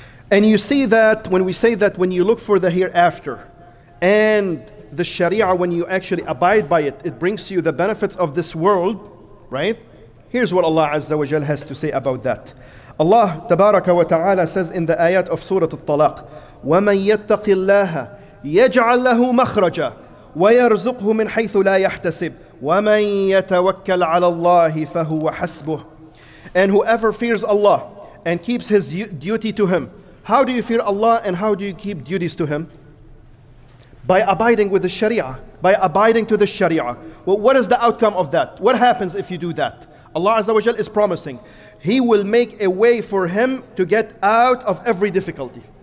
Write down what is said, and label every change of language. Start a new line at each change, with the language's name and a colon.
English: And you see that when we say that when you look for the hereafter and the Sharia, when you actually abide by it, it brings you the benefits of this world, right? Here's what Allah Azza wa Jal has to say about that. Allah Tabaraka wa Ta'ala says in the ayat of Surah At-Talaq,
Arabic: وَمَنْ يَتَّقِ اللَّهَ يَجْعَلْ لَهُ مَخْرَجًا وَيَرْزُقْهُ مِنْ حَيْثُ لَا يَحْتَسِبْ وَمَنْ يَتَوَكَّلْ عَلَى اللَّهِ فَهُوَ حَسْبُهُ.
English: And whoever fears Allah and keeps his duty to Him, how do you fear Allah and how do you keep duties to Him? By abiding with the Sharia, by abiding to the Sharia. Well, what is the outcome of that? What happens if you do that? Allah Azza wa Jal is promising, He will make a way for him to get out of every difficulty.